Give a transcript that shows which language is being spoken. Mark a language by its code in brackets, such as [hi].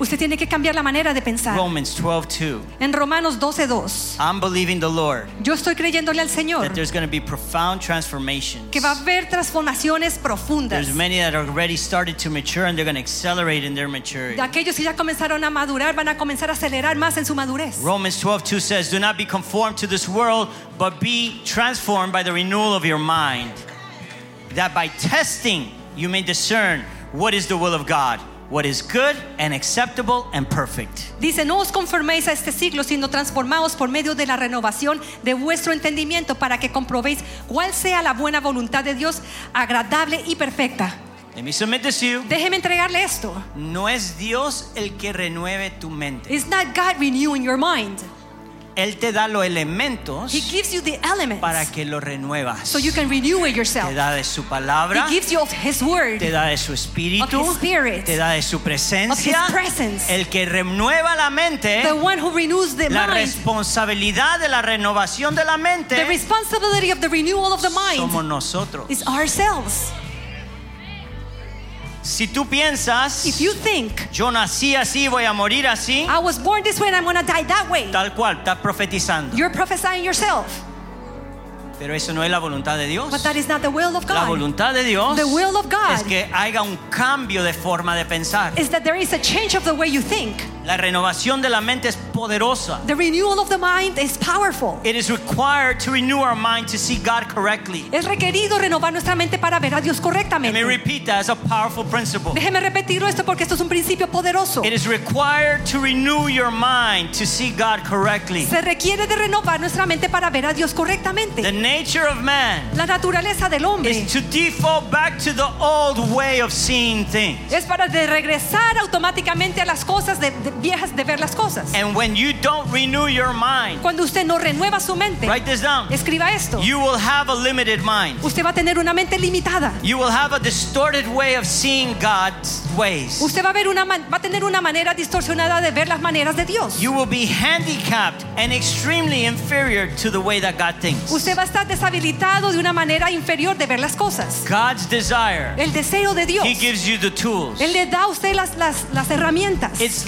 [es] Usted tiene que cambiar la manera de pensar. [en] Romans 12:2. [es] En Romanos 12:2. [en] I'm believing the Lord. [es] Yo estoy creyéndole al Señor. [en] That there's going to be profound transformations. [es] Que va a haber transformaciones profundas. [en] There's many that already started to mature and they're going to accelerate in their maturity. [es] De aquellos que ya comenzaron a madurar van a comenzar a acelerar más en su madurez. [en] Romans 12:2 says, "Do not be conformed to this world, but be transformed by the renewal of your mind, that by testing you may discern what is the will of God, what is good and acceptable and perfect." [es] Dice, no os conforméis a este siglo, sino transformaos por medio de la renovación de vuestro entendimiento para que comprobéis cuál sea la buena voluntad de Dios, agradable y perfecta. [en] Let me submit this to you. [es] Déjeme entregarle esto. No es Dios el que renueve tu mente. [en] It's not God renewing your mind. [es] Él te da los elementos. [en] He gives you the elements [es] para que lo renuevas. [en] So you can renew it yourself. [es] Te da de su palabra. [en] He gives you of His word. [es] Te da de su espíritu. [en] Of His spirit. [es] Te da de su presencia. [en] Of His presence. [es] El que renueva la mente. [en] The one who renews the [es] la [en] mind. [es] La responsabilidad de la renovación de la mente. [en] The responsibility of the renewal of the mind. [es] Somos nosotros. [en] Is ourselves. [es] Si tú piensas, [en] if you think, [es] yo nací así, voy a morir así, [en] I was born this way and I'm going to die that way. [es] Tal cual, estás profetizando. [en] You're prophesying yourself. [es] Pero eso no es la voluntad de Dios. [en] But that is not the will of God. [es] La voluntad de Dios, [en] the will of God, [es] es que haya un cambio de forma de pensar. [en] Is that there is a change of the way you think. [es] La renovación de la mente es poderosa. [en] The renewal of the mind is powerful. It is required to renew our mind to see God correctly. [es] Es requerido renovar nuestra mente para ver a Dios correctamente. [en] Let me repeat that as a powerful principle. [es] Déjeme repetirlo esto porque esto es un principio poderoso. [en] It is required to renew your mind to see God correctly. [es] Se requiere de renovar nuestra mente para ver a Dios correctamente. [en] The nature of man, [es] la naturaleza del hombre, [en] is to default back to the old way of seeing things. [es] Es para de regresar automáticamente a las cosas viejas de ver las cosas. [en] And when you don't renew your mind, [es] cuando usted no renueva su mente, [en] write this down, [es] escriba esto, [en] you will have a limited mind. [es] Usted va a tener una mente limitada. [en] You will have a distorted way of seeing God's ways. [es] Usted va a tener una manera distorsionada de ver las maneras de Dios. [en] You will be handicapped and extremely inferior to the way that God thinks. [es] Usted va a estar deshabilitado de una manera inferior de ver las cosas. [en] God's desire, [es] el deseo de Dios, [en] He gives you the tools. [es] Él le da a usted las herramientas.